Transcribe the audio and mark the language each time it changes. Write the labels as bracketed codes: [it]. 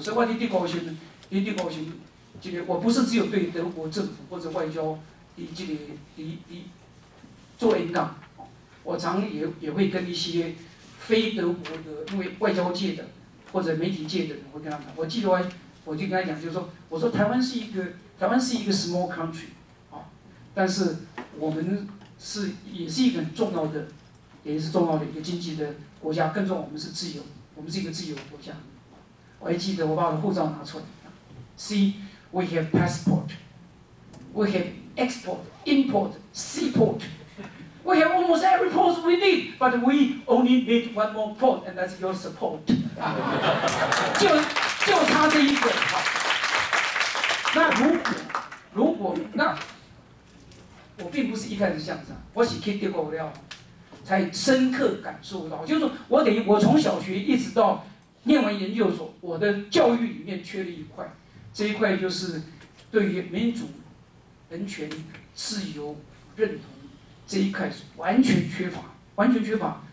[zh] 所以外地地国行，外地国行，这个我不是只有对德国政府或者外交以这个以做引导，我常也会跟一些非德国的，因为外交界的或者媒体界的人会跟他们，我记得我就跟他讲，就是说，我说台湾是一个 [en] small country， [zh] 啊，但是我们是也是一个很重要的，也是重要的一个经济的国家。更重要，我们是自由，我们是一个自由的国家。我还记得我把我的护照拿出来 [en] ，See we have passport， we have export， import， seaport， we have almost every port we need， but we only need one more port， and that's your support 。 [zh] 就他这一个，那如果那我并不是一开始像这样，我是去德国了，才深刻感受到，就是我等于我从小学一直到念完研究所，我的教育里面缺了一块，这一块就是对于民主、人权、自由、认同这一块是完全缺乏，完全缺乏。